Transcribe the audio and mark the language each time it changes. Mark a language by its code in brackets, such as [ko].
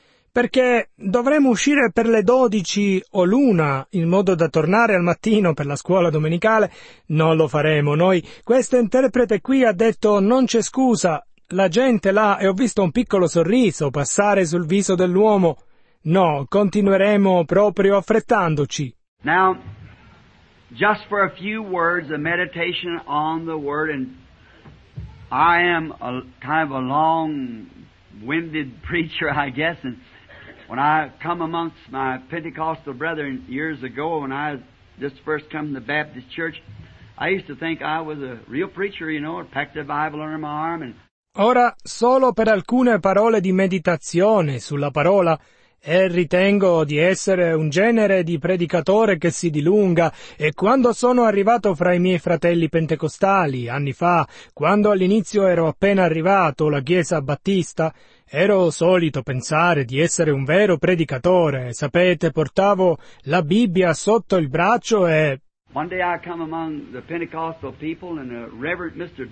[it] Perché dovremo uscire per le 12 o l'una, in modo da tornare al mattino per la scuola domenicale, non lo faremo noi. Questo interprete qui ha detto non c'è scusa, la gente là, e ho visto un piccolo sorriso passare sul viso dell'uomo. No, continueremo proprio affrettandoci. [en] Now, just for a few words, a meditation on the word, and I am a kind of a long-winded preacher, I guess, and when I come amongst my Pentecostal brethren years ago, when I just first come to the Baptist church, I used to think I was a real preacher, you know, packed a Bible under my arm. And... [it] Ora, solo per alcune parole di meditazione sulla parola, e ritengo di essere un genere di predicatore che si dilunga, e quando sono arrivato fra i miei fratelli pentecostali, anni fa, quando all'inizio ero appena arrivato alla Chiesa Battista, ero solito pensare di essere un vero predicatore, sapete, portavo la Bibbia sotto il braccio e... [en] One day I come among the Pentecostal people and the Reverend Mr.